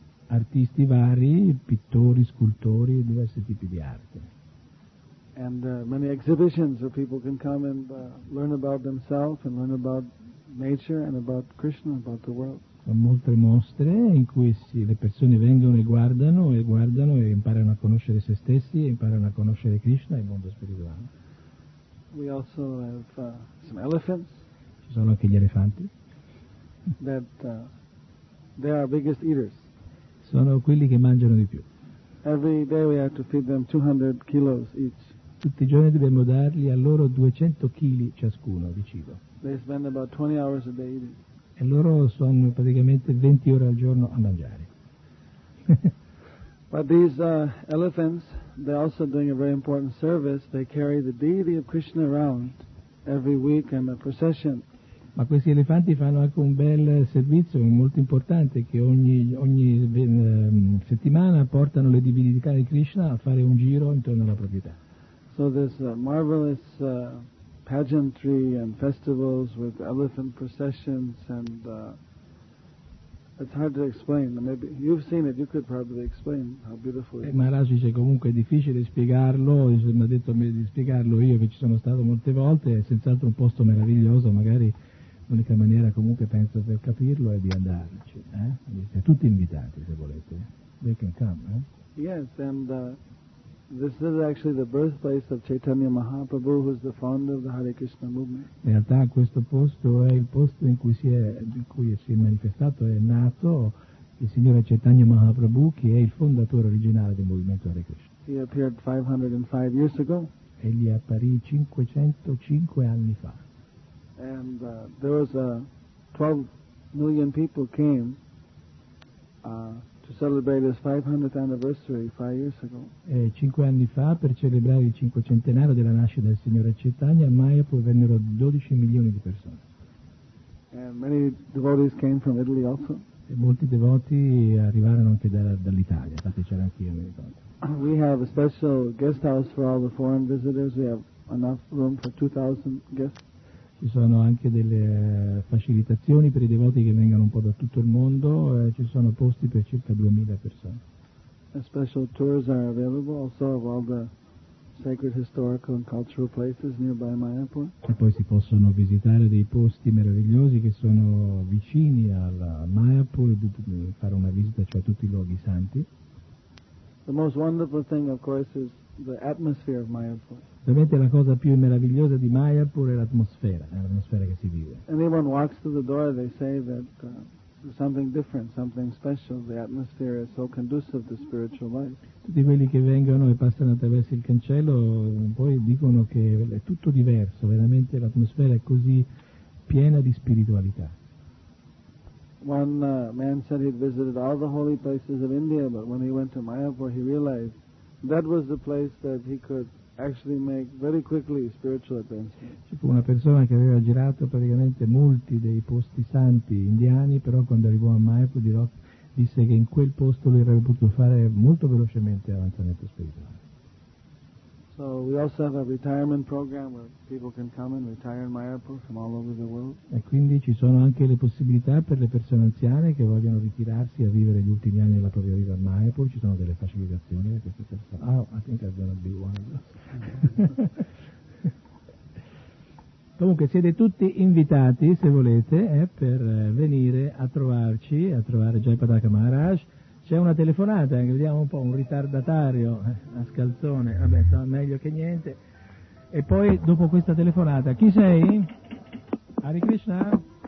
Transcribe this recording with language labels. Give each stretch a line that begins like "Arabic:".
Italian: Artisti vari, pittori, scultori, diversi tipi di arte.
English: And many exhibitions where people can come and learn about themselves and learn about nature and about Krishna, about the world.
Italian: Molte mostre in cui le persone vengono e guardano e guardano e imparano a conoscere se stessi, imparano a conoscere Krishna e il mondo spirituale.
English: We also have some elephants.
Italian: Sono anche gli elefanti.
English: They are biggest eaters.
Italian: Sono quelli che mangiano di più.
English: Every day we have to feed them 200 kilos each.
Italian: Tutti i giorni dobbiamo dargli a loro 200 kg ciascuno di cibo.
English: They spend about 20 hours a day eating.
Italian: E loro sono praticamente 20 ore al giorno a mangiare.
English: But these elephants, they're also doing a very important service. They carry the deity of Krishna around every week in a procession.
Italian: Ma questi elefanti fanno anche un bel servizio molto importante che ogni settimana portano le divinità di Krishna a fare un giro intorno alla proprietà.
English: So there's marvelous pageantry and festivals with elephant processions and it's hard to explain. Maybe you've seen it, you could probably explain how beautiful it is.
Italian: Maharaj dice comunque è difficile spiegarlo, mi ha detto di spiegarlo io che ci sono stato molte volte, è senz'altro un posto meraviglioso, magari l'unica maniera comunque penso per capirlo è di andarci, eh? Siete tutti invitati se volete.
English: They can come, eh? Yes, and this is actually the birthplace of Chaitanya Mahaprabhu, who is the founder of the Hare Krishna movement.
Italian: In realtà questo posto è il posto in cui si è manifestato, è nato il signore Chaitanya Mahaprabhu, che è il fondatore originale del movimento Hare Krishna.
English: He appeared 505 years ago.
Italian: Egli apparì 505 anni fa.
English: And there was 12 million people came to celebrate his 500th anniversary 5 years ago.
Italian: E 5 anni fa, per celebrare il cinquecentenario della nascita del signore Chaitanya, a Mayapur vennero 12 milioni di persone.
English: And many devotees came from Italy also.
Italian: E molti devoti arrivarono anche dall'Italia, infatti c'era anche io, mi ricordo.
English: We have a special guest house for all the foreign visitors. We have enough room for 2,000 guests.
Italian: Ci sono anche delle facilitazioni per i devoti che vengono un po' da tutto il mondo, ci sono posti per circa 2000 persone.
English: The special tours are available also of all the sacred historical and cultural places nearby Mayapur.
Italian: E poi si possono visitare dei posti meravigliosi che sono vicini alla Mayapur, fare una visita, cioè tutti i luoghi santi.
English: The most wonderful thing of course is the atmosphere of Mayapur.
Italian: Ovviamente la cosa più meravigliosa di Mayapur è l'atmosfera, che si vive.
English: Anyone walks through the door, they say that there's something different, something special. The atmosphere is so conducive to spiritual life.
Italian: Tutti quelli che vengono e passano attraverso il cancello poi dicono che è tutto diverso, veramente l'atmosfera è così piena di spiritualità.
English: One man said he'd visited all the holy places of India, but when he went to Mayapur, he realized that was the place that he could actually make very quickly spiritual advancement.
Italian: C'è una persona che aveva girato praticamente molti dei posti santi indiani, però quando arrivò a Mayapur disse che in quel posto lui avrebbe potuto fare molto velocemente avanzamento spirituale.
English: So we also have a retirement program where people can come and retire in Mayapur from all over the world.
Italian: E quindi ci sono anche le possibilità per le persone anziane che vogliono ritirarsi a vivere gli ultimi anni della propria vita a Mayapur. Ci sono delle facilitazioni per queste persone.
English: Oh, I think I'm gonna be one of those.
Italian: Comunque siete tutti invitati, se volete, per venire a trovarci, a trovare Jaipadaka Maharaj. C'è una telefonata, vediamo un po', un ritardatario, a scalzone, vabbè, sta meglio che niente. E poi, dopo questa telefonata, chi sei? Hare Krishna?